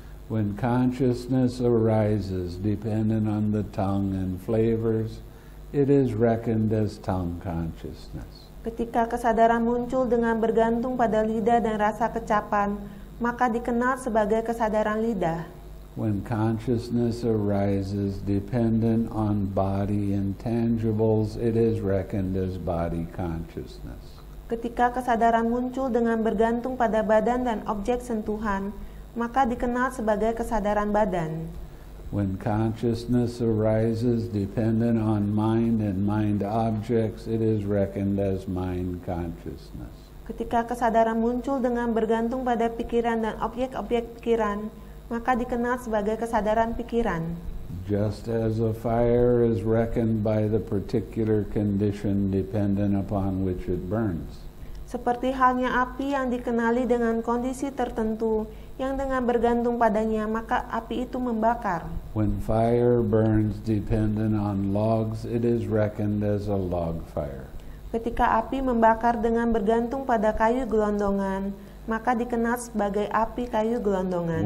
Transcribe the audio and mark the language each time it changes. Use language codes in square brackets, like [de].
[en] When consciousness arises dependent on the tongue and flavors, it is reckoned as tongue consciousness. [id] Ketika kesadaran muncul dengan bergantung pada lidah dan rasa kecapan, maka dikenal sebagai kesadaran lidah. [en] When consciousness arises dependent on body and tangibles, it is reckoned as body consciousness. [id] Ketika kesadaran muncul dengan bergantung pada badan dan objek sentuhan, maka dikenal sebagai kesadaran badan. [en] When consciousness arises dependent on mind and mind objects, it is reckoned as mind consciousness. [id] Ketika kesadaran muncul dengan bergantung pada pikiran dan objek-objek pikiran, maka dikenal sebagai kesadaran pikiran. [en] Just as a fire is reckoned by the particular condition dependent upon which it burns. [id] Seperti halnya api yang dikenali dengan kondisi tertentu yang dengan bergantung padanya maka api itu membakar. [en] When fire burns dependent on logs, it is reckoned as a log fire. [id] Ketika api membakar dengan bergantung pada kayu gelondongan, maka dikenal sebagai api kayu gelondongan.